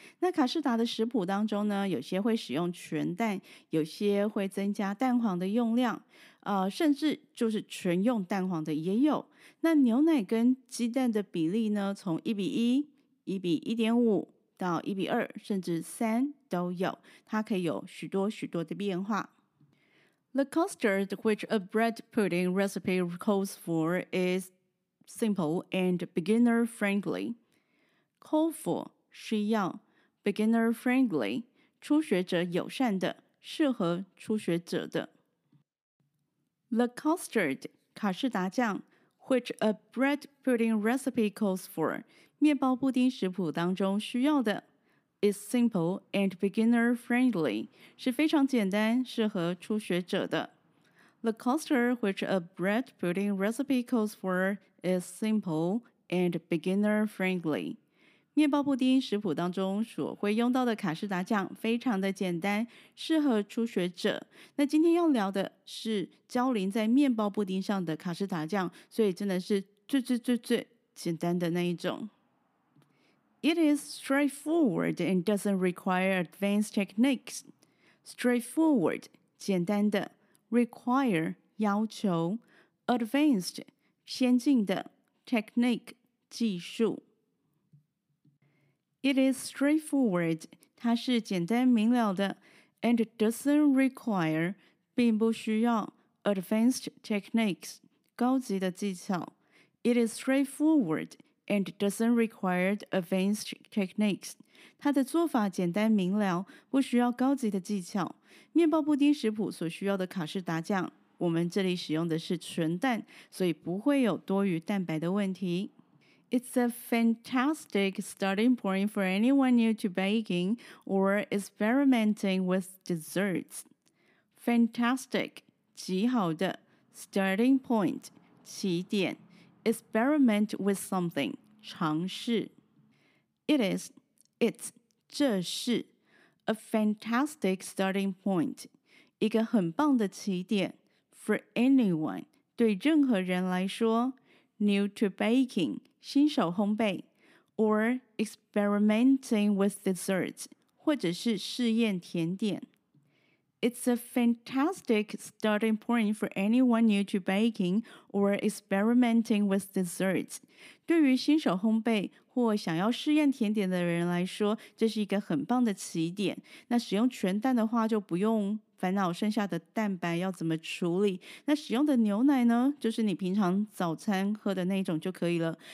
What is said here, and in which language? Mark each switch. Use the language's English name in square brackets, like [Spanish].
[Chinese] 那卡士达的食谱当中呢，有些会使用全蛋，有些会增加蛋黄的用量，甚至就是全用蛋黄的也有。那牛奶跟鸡蛋的比例呢，从1:1、1:1.5到1:2，甚至3都有，它可以有许多许多的变化。 [English] The custard which a bread pudding recipe calls for is simple and beginner friendly. [Chinese] Call for 需要 beginner friendly 初学者友善的，适合初学者的。 [English] The custard [Chinese] 卡士达酱 [English] which a bread pudding recipe calls for [Chinese] 面包布丁食谱当中需要的。 [English] Is simple and beginner friendly, [Chinese] 是非常简单，适合初学者的。 [English] The custard which a bread pudding recipe calls for is simple and beginner friendly. [Chinese] 面包布丁食谱当中所会用到的卡士达酱非常的简单，适合初学者。那今天要聊的是浇淋在面包布丁上的卡士达酱，所以真的是最最最最简单的那一种。 [English] It is straightforward and doesn't require advanced techniques. Straightforward, [Chinese] 简单的 [English] require, [Chinese] 要求 [English] advanced, [Chinese] 先进的 [English] technique, [Chinese] 技术 [English] It is straightforward, [Chinese] 它是简单明了的 [English] and doesn't require, [Chinese] 并不需要 [English] advanced techniques, [Chinese] 高级的技巧 [English] It is straightforward,and doesn't require advanced techniques. [Chinese] 它的做法简单明了，不需要高级的技巧。面包布丁食谱所需要的卡士达酱，我们这里使用的是纯蛋，所以不会有多余蛋白的问题。 [English] It's a fantastic starting point for anyone new to baking or experimenting with desserts. Fantastic, [Chinese] 极好的 [English] starting point, [Chinese] 起点。 [English] Experiment with something, [Chinese] 尝试。 [English] It is, it's, [Chinese] 这是 [English] a fantastic starting point, [Chinese] 一个很棒的起点 [English] for anyone, [Chinese] 对任何人来说 [English] new to baking, [Chinese] 新手烘焙 [English] or experimenting with desserts, [Chinese] 或者是试验甜点。 [English] It's a fantastic starting point for anyone new to baking or experimenting with desserts. [Chinese] 对于新手烘焙或想要试验甜点的人来说，这是一个很棒的起点。那使用全蛋的话，就不用烦恼剩下的蛋白要怎么处理。那使用的牛奶呢，就是你平常早餐喝的那种就可以了。